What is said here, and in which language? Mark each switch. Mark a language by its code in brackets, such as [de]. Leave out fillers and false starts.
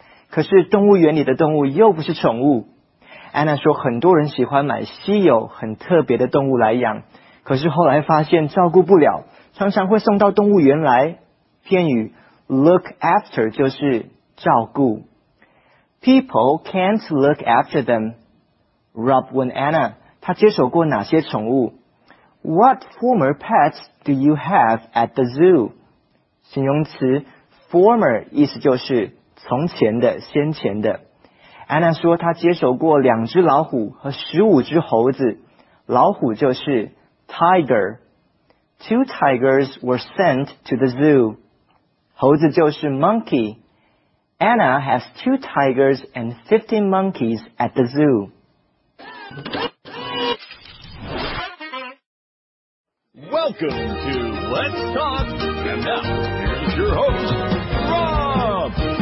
[zh] 可是动物园里的动物又不是宠物。Anna 说很多人喜欢买稀有很特别的动物来养，可是后来发现照顾不了，常常会送到动物园来。片语 look after 就是照顾。 [en] People can't look after them. [zh] Rob 问 Anna, 他接手过哪些宠物？ [en] What former pets do you have at the zoo? [zh] 形容词 former 意思就是从前的、先前的。 Anna 说他接手过两只老虎和15只猴子。老虎就是 tiger。 [en] 2 tigers were sent to the zoo. [zh] 猴子就是 monkey. [en] Anna has 2 tigers and 15 monkeys at the zoo. Welcome to Let's Talk. And now, here's your host, Rob.